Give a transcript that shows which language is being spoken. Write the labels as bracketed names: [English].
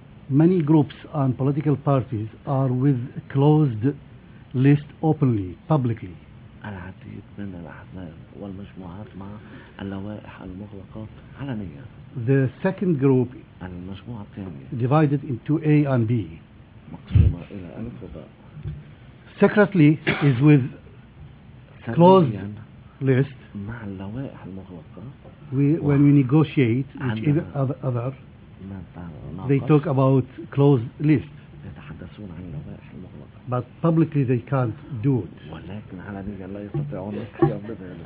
[English] many groups and political parties are with closed list openly, publicly. [Arabic] العديد من الأحزاب والمجموعات مع اللوائح المغلقة علنية. [English] The second group, [Arabic] المجموعة الثانية, [English] divided into A and B. [Arabic] مقسومة إلى ألف وباء. [English] Secretly is with closed list. [Arabic] مع اللوائح المغلقة. [English] When we negotiate with each other, they talk about closed list. [Arabic] يتحدثون عن اللوائح المغلقة. [English] But publicly they can't do it. [Arabic] ولكن علنيا لا يستطيعون القيام بذلك.